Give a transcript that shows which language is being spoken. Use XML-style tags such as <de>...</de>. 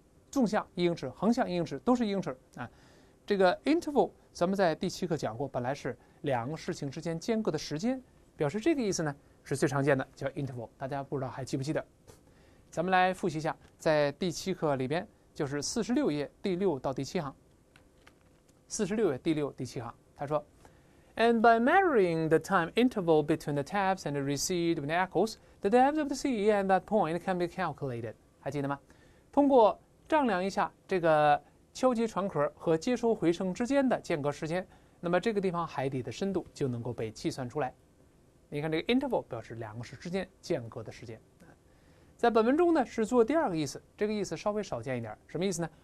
<zh>纵向1英尺，横向1英尺，都是1英尺啊。这个 interval 咱们在第七课讲过，本来是两个事情之间间隔的时间，表示这个意思呢是最常见的叫 interval。大家不知道还记不记得？咱们来复习一下，在第七课里边就是46页第6到第7行。 46页第6第7行，他说</zh> <en>，And by measuring the time interval between the taps and the receipt of the echoes, the depth of the sea at that point can be calculated。</en> <zh>还记得吗？通过丈量一下这个敲击船壳和接收回声之间的间隔时间，那么这个地方海底的深度就能够被计算出来。你看这个 interval 表示两个事之间间隔的时间，在本文中呢是做第二个意思，这个意思稍微少见一点。什么意思呢？</zh>